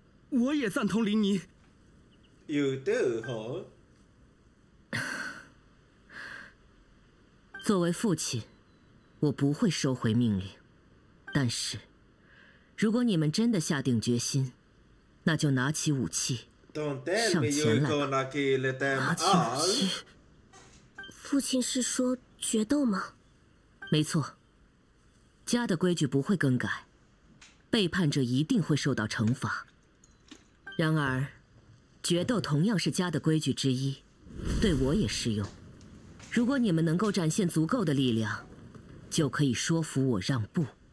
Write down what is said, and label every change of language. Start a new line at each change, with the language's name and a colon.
Chinese: 我也赞同林尼。
English: You do, huh?
Chinese: 作为父亲，我不会收回命令。但是，如果你们真的下定决心，那就拿起武器。
English: Don't tell me you're gonna kill them all.
Chinese: 父亲是说决斗吗？没错，家的规矩不会更改，背叛者一定会受到惩罚。然而，决斗同样是家的规矩之一，对我也适用。如果你们能够展现足够的力量，就可以说服我让步。